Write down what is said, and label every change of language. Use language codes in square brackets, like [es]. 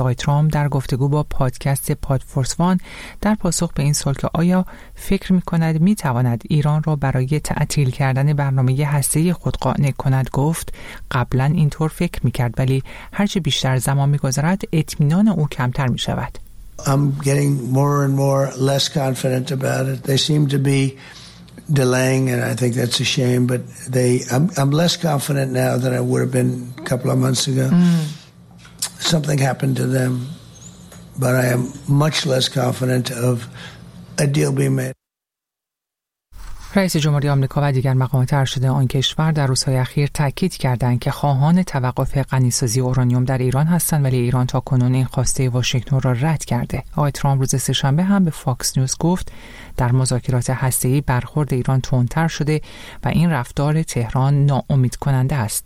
[fa] آقای ترامپ در گفتگو با پادکست پادفورس 1 در پاسخ به این سوال که آیا فکر میکند میتواند ایران را برای تعطیل کردن برنامه هسته‌ای خود قانع کند گفت قبلا اینطور فکر میکرد، ولی هرچه بیشتر زمان میگذرد اطمینان او کمتر میشود. [en] I'm getting more and more less confident about it. They seem to be delaying, and I think that's a shame. But I'm less confident now than I would have been a couple of months ago. Something happened to them, but I am much less confident of a deal being made. [fa] رئیس جمهوری آمریکا و دیگر مقامات ارشد آن کشور در روزهای اخیر تاکید کردند که خواهان توقف غنی‌سازی اورانیوم در ایران هستند، ولی ایران تاکنون این خواسته واشنگتن را رد کرده. آقای ترامپ روز سه‌شنبه هم به فاکس نیوز گفت در مذاکرات هسته‌ای برخورد ایران تندتر شده و این رفتار تهران ناامیدکننده است.